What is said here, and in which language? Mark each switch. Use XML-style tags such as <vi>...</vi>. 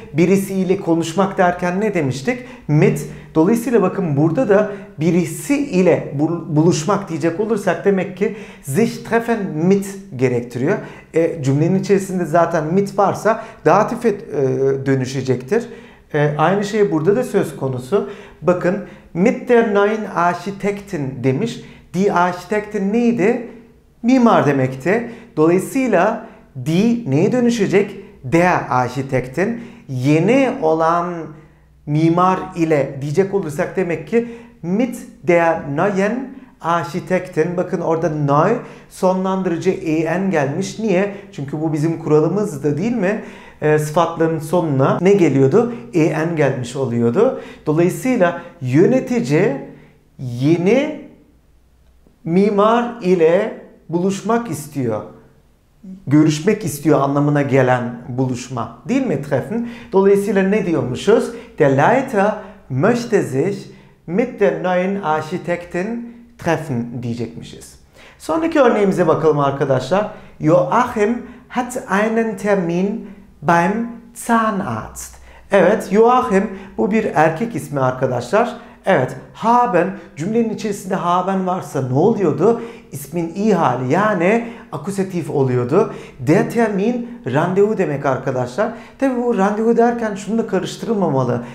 <tr>Birisi ile konuşmak derken ne demiştik? Mit. Dolayısıyla bakın burada da birisi ile buluşmak diyecek olursak demek ki</tr> <de>sich treffen mit</de> <tr>gerektiriyor. Cümlenin içerisinde zaten mit varsa datife dönüşecektir. Aynı şey burada da söz konusu. Bakın</tr> <de>mit der neuen Architektin</de> <tr>demiş. Die Architektin neydi? Mimar demekti. Dolayısıyla die neye dönüşecek?</tr> <de>Der Architektin</de> <tr>yeni olan mimar ile diyecek olursak demek ki</tr> <de>mit der neuen Architektin.</de> <tr>Bakın orada neu sonlandırıcı en gelmiş. Niye? Çünkü bu bizim kuralımızdı değil mi? Sıfatların sonuna ne geliyordu? En gelmiş oluyordu. Dolayısıyla yönetici yeni mimar ile buluşmak istiyor. Görüşmek istiyor anlamına gelen buluşma değil mi treffen? Dolayısıyla ne diyormuşuz?</tr> <de>Der Leiter möchte sich mit der neuen Architektin treffen</de> <tr>diyecekmişiz. Sonraki örneğimize bakalım arkadaşlar.</tr> <de>Joachim hat einen Termin beim Zahnarzt.</de> <tr>Evet, Joachim bu bir erkek ismi arkadaşlar. Evet, haben, cümlenin içerisinde haben varsa ne oluyordu? İsmin i hali yani akusatif oluyordu. Der Termin, randevu demek arkadaşlar. Tabi bu randevu derken şunu da karıştırılmamalı.</tr>